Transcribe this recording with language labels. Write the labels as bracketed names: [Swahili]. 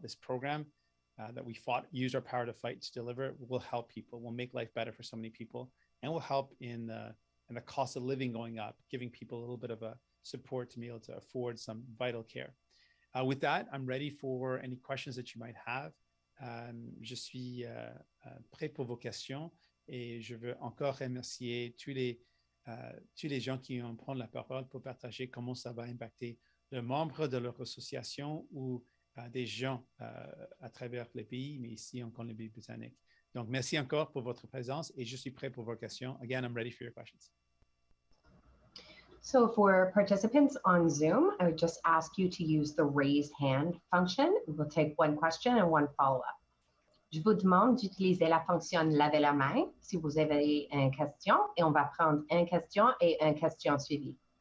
[English] This program that we fought, used our power to fight to deliver, will help people, will make life better for so many people, and will help in the cost of living going up, giving people a little bit of a support to be able to afford some vital care. With that, I'm ready for any questions that you might have. [French] Je suis prêt pour vos questions et je veux encore remercier tous les gens qui ont pris la parole pour partager comment ça va impacter les membres de leur association ou des gens à travers les pays, mais ici en Colombie-Britannique. Donc, merci encore pour votre présence et je suis prêt pour vos questions. [English] Again, I'm ready for your questions. So for participants on Zoom, I would just ask you to use the raised hand function. We'll take one question and one follow-up. [French] Je vous demande d'utiliser la fonction lever la main si vous avez une question et on va prendre une question et une question suivie.